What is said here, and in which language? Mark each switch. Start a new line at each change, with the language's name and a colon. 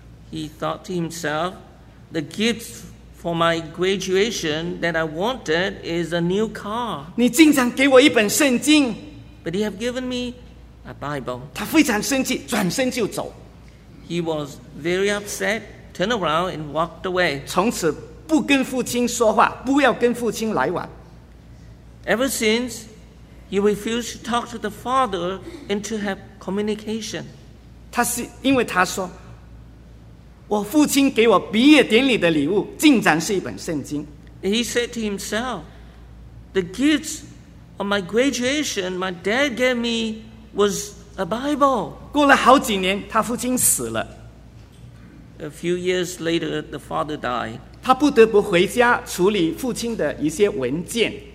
English: He thought to himself, the gift for my graduation that I wanted is a new car.
Chinese: 你竟然给我一本圣经。
English: But he have given me. A Bible.
Chinese: 他非常生气，转身就走。
English: He was very upset, turned around and walked away.
Chinese: 从此不跟父亲说话，不要跟父亲来往。
English: Ever since, he refused to talk to the father and to have communication.
Chinese: 他是因为他说，我父亲给我毕业典礼的礼物，竟然是一本圣经。
English: And he said to himself, the gifts of my graduation, my dad gave me. Was a Bible.
Chinese: 过了好几年，他父亲死了。
English: A few years later, the father died.
Chinese: 他不得不回家处理父亲的一些文件。